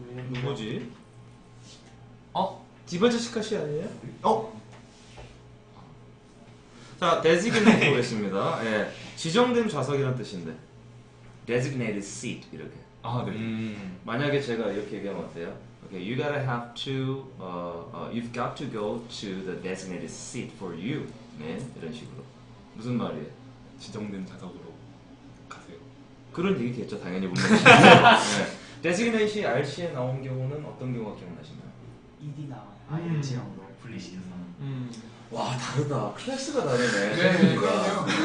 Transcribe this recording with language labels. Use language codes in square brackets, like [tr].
[ko] 누구지? 디버저시카시 아니에요? 어? 자, designate 보겠습니다. 예. 지정된 좌석이란 뜻인데 designated seat 이렇게. 아, 네. 만약에 제가 이렇게 얘기하면 어때요? [en] Okay, you gotta have to, you've got to go to the designated seat for you, man. [ko] 이런 식으로. 무슨 말이에요? 지정된 좌석으로 가세요. 그런 얘기겠죠, 당연히 분명히. 네. designate이 RC에 나온 경우는 어떤 경우가 기억나십니까? ED 나와요. ING형으로 분리시켜서. 와 다르다. 클래스가 다르네. 네, 그러니까.